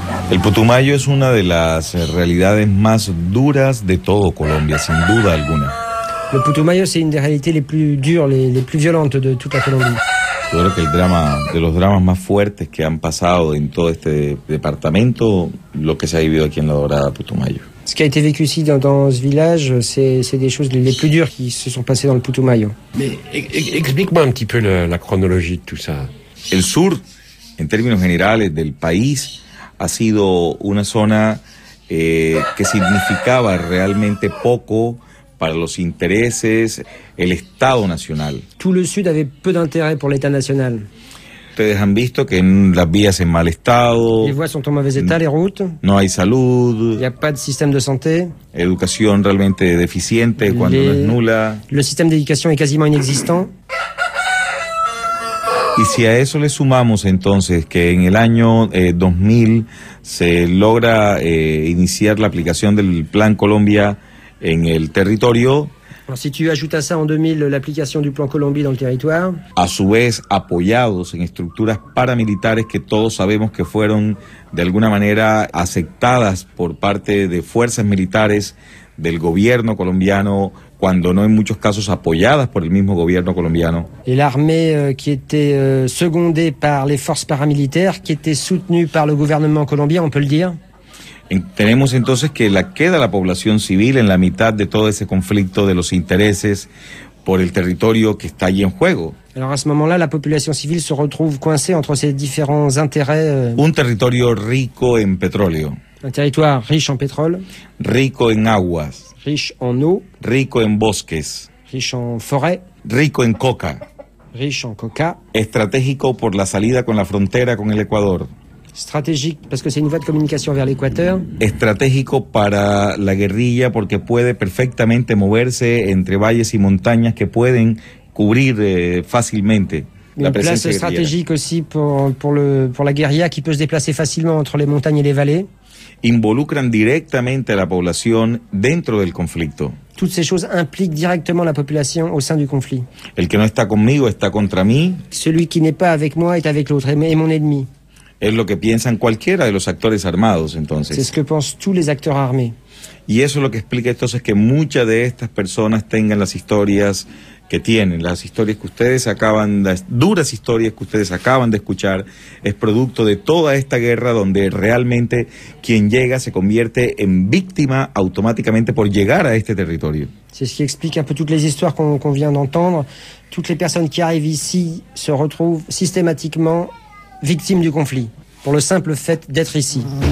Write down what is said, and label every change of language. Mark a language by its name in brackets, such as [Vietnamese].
[Spanish] El Putumayo es una de las realidades más duras de todo Colombia, sin duda alguna. El Putumayo es una de las realidades más duras, las más violentas de toda Colombia. Yo creo que el drama, de los dramas más fuertes que han pasado en todo este departamento, lo que se ha vivido aquí en La Dorada, Putumayo. [French] Ce qui a été vécu ici dans ce village, c'est des choses les plus dures qui se sont passées dans le Putumayo. Mais explique-moi un petit peu la chronologie de tout ça. [Spanish] El sur, en términos generales del país, ha sido una zona que significaba realmente poco para los intereses el Estado Nacional. [French] Tout le sud avait peu d'intérêt pour l'État national. [Spanish] Ustedes han visto que las vías en mal estado. [French] Les voies sont en mauvais état, les routes. [Spanish] No hay salud. [French] Il y a pas de système de santé. [Spanish] Educación realmente deficiente cuando no es nula. [French] Le système d'éducation est quasiment inexistant. [Spanish] Y si a eso le sumamos entonces que en el año 2000 se logra iniciar la aplicación del Plan Colombia en el territorio. Si tú ajustas a eso en 2000 la aplicación del Plan Colombia en el territorio. A su vez apoyados en estructuras paramilitares que todos sabemos que fueron de alguna manera aceptadas por parte de fuerzas militares del gobierno colombiano, cuando no en muchos casos apoyadas por el mismo gobierno colombiano. [French] Y la armée qui était secondée par les forces paramilitaires, qui était soutenue par le gouvernement colombien, on peut le dire. [Spanish] Tenemos entonces que la queda la población civil en la mitad de todo ese conflicto de los intereses por el territorio que está ahí en juego. [French] Alors à ce moment-là, la population civile se retrouve coincée entre ces différents intérêts. [Spanish] Un territorio rico en petróleo. [French] Un territoire riche en pétrole. [Spanish] Rico en aguas. [French] Riche en eau. [Spanish] Rico en bosques. [French] Riche en forêt. [Spanish] Rico en coca. [French] Riche en coca. [Spanish] Estratégico por la salida con la frontera con el Ecuador. [French] Stratégique parce que c'est une voie de communication vers l'Équateur. [Spanish] Estratégico para la guerrilla porque puede perfectamente moverse entre valles y montañas que pueden cubrir fácilmente. [French] Une place stratégique aussi pour la guérilla qui peut se déplacer facilement entre les montagnes et les vallées. [Spanish] Involucran directamente a la población dentro del conflicto. [French] Toutes ces choses impliquent directement la population au sein du conflit. [Spanish] El que no está conmigo está contra mí. [French] Celui qui n'est pas avec moi est avec l'autre, est mon ennemi. [Spanish] Es lo que piensan cualquiera de los actores armados, entonces. [French] C'est ce que pensent tous les acteurs armés. [Spanish] Y eso es lo que explica entonces que muchas de estas personas tengan las historias que tienen. Las historias que ustedes acaban, las duras historias que ustedes acaban de escuchar, es producto de toda esta guerra donde realmente quien llega se convierte en víctima automáticamente por llegar a este territorio. [French] C'est ce qui explique un peu toutes les histoires qu'on vient d'entendre. Toutes les personnes qui arrivent ici se retrouvent systématiquement victimes du conflit pour le simple fait d'être ici.